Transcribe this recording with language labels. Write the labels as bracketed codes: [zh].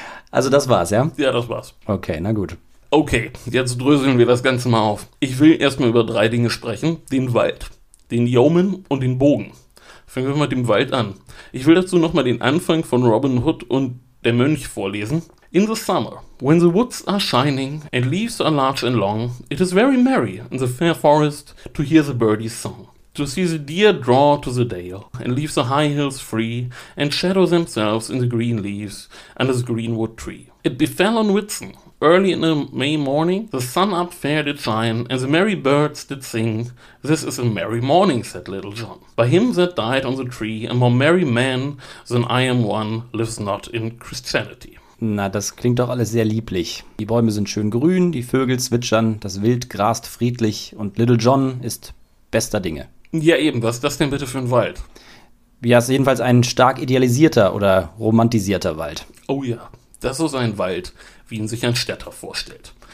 [de] Also das war's, ja? Ja, das war's. Okay, na gut. Okay, jetzt dröseln wir das Ganze mal auf. Ich will erstmal über drei Dinge sprechen. Den Wald, den Yeoman und den Bogen. Fangen wir mal mit dem Wald an. Ich will dazu nochmal den Anfang von Robin Hood und der Mönch vorlesen. [en] In the summer, when the woods are shining and leaves are large and long, it is very merry in the fair forest to hear the birdies' song. To see the deer draw to the dale and leave the high hills free and shadow themselves in the green leaves under the greenwood tree. It befell on Whitsun, early in a May morning, the sun up fair did shine and the merry birds did sing. This is a merry morning, said Little John. By him that died on the tree, a more merry man than I am one lives not in Christianity. [de] Na, das klingt doch alles sehr lieblich. Die Bäume sind schön grün, die Vögel zwitschern, das Wild grast friedlich und Little John ist bester Dinge. Ja eben, was ist das denn bitte für ein Wald? Ja, ist jedenfalls ein stark idealisierter oder romantisierter Wald. Oh ja, das ist ein Wald, wie ihn sich ein Städter vorstellt.